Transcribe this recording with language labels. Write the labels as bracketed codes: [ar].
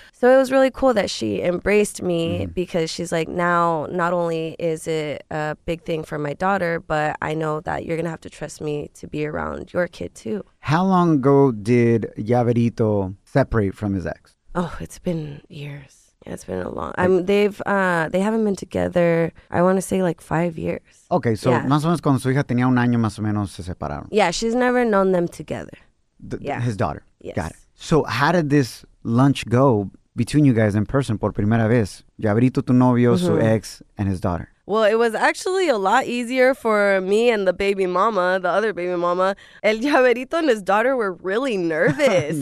[en] So it was really cool that she embraced me because she's like, now not only is it a big thing for my daughter, but I know that you're going to have to trust me to be around your kid too. How long ago did Yaverito separate from his ex? Oh, it's been years. Yeah, it's been a long... they haven't been together, I want to say, like 5 years. Okay, so yeah. [es] más o menos cuando su hija tenía 1 año, más o menos se separaron. [en] Yeah, she's never known them together. His daughter. Yes. Got it. So how did this lunch go between you guys in person [es] por primera vez? [en] Yaverito, [es] tu novio, su ex, [en] and his daughter. Well, it was actually a lot easier for me and the baby mama, the other baby mama. El Yaverito and his daughter were really nervous.